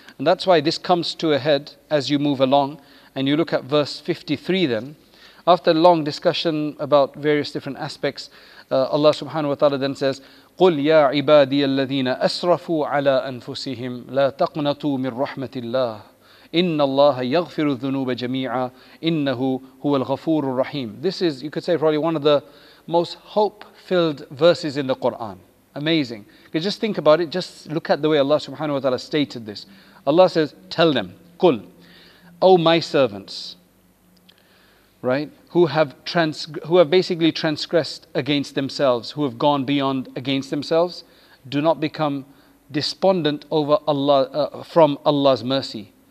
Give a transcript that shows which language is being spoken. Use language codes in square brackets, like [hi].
[en] And that's why this comes to a head as you move along and you look at verse 53 then. After a long discussion about various different aspects, Allah subhanahu wa ta'ala then says, [ar] قُلْ يَا عِبَادِيَ الَّذِينَ أَسْرَفُوا عَلَىٰ أَنفُسِهِمْ لَا تَقْنَطُوا مِنْ رَحْمَةِ اللَّهِ. إن الله يغفر الذنوب جميعا إنه هو الغفور الرحيم. [en] This is, you could say, probably one of the most hope-filled verses in the Quran. Amazing. Okay, just think about it. Just look at the way Allah subhanahu wa ta'ala stated this. Allah says, tell them, قل, O my servants, right, who have basically transgressed against themselves, who have gone beyond against themselves, do not become despondent over Allah from Allah's mercy.